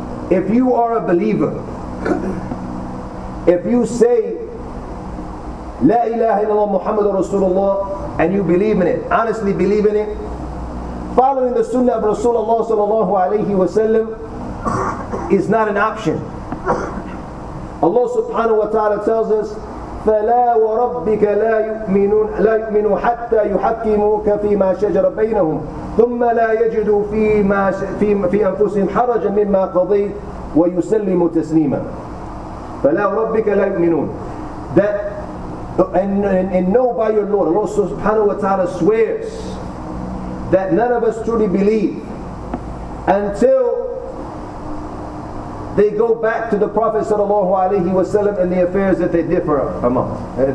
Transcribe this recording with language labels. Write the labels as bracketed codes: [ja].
[en] If you are a believer, if you say, La ilaha illallah Muhammadur Rasulullah, and you believe in it, honestly believe in it, following the sunnah of Rasulullah sallallahu alayhi wa sallam, is not an option. [ar] Allah subhanahu wa ta'ala [en] tells us, [ar] فَلَا وَرَبِّكَ لَا يُؤْمِنُوا حَتَّى يُحَكِّمُوكَ فِي مَا شَجَرَ بَيْنَهُمْ ثُمَّ لَا يَجِدُوا فِي أَنفُسِهِمْ حَرَجًا مِمَّا قَضَيْتَ وَيُسَلِّمُوا تَسْلِيمًا. فَلَا وَرَبِّكَ لَا يُؤْمِنُونَ. [en] That and know by your Lord, Allah subhanahu wa ta'ala swears that none of us truly believe until they go back to the Prophet sallallahu alayhi wa sallam and the affairs that they differ amongst.